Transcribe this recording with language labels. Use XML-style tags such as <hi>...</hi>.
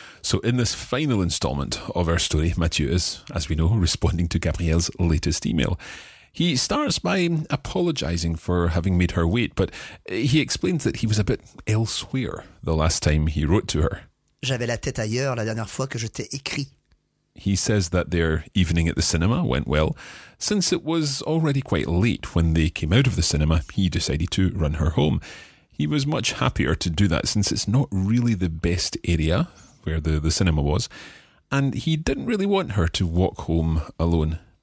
<en>So in this final installment of our story, Mathieu is, as we know, responding to Gabrielle's latest email. He starts by apologising for having made her wait, but he explains that he was a bit elsewhere the last time he wrote to her.</en> <fr>J'avais la tête ailleurs la dernière fois que je t'ai écrit.</fr> <en>He says that their evening at the cinema went well. Since it was already quite late when they came out of the cinema, he decided to run her home. He was much happier to do that since it's not really the best area where the cinema was, and he didn't really want her to walk home alone.</en>